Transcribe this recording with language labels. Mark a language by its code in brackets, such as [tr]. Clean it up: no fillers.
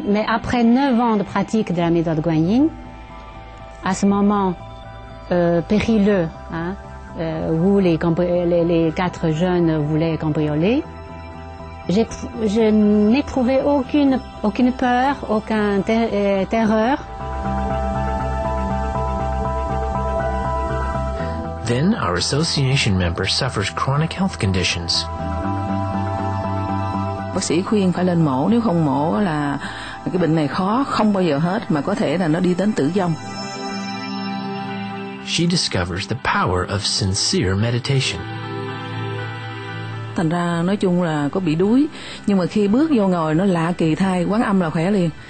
[fr] Mais après 9 ans de pratique de la méthode Guanyin, à ce moment périlleux, hein, où les quatre jeunes voulaient cambrioler, je n'éprouvais aucune peur, aucune terreur. [en] Then our association member suffers chronic health conditions. [vi] Bác sĩ khuyên phải lên mổ, nếu không mổ là cái bệnh này khó, không bao giờ hết, mà có thể là nó đi đến tử vong. [en] She discovers the power of sincere meditation. [vi] Thành ra nói chung là có bị đuối, nhưng mà khi bước vô ngồi nó lạ kỳ thay, Quán Âm là khỏe liền.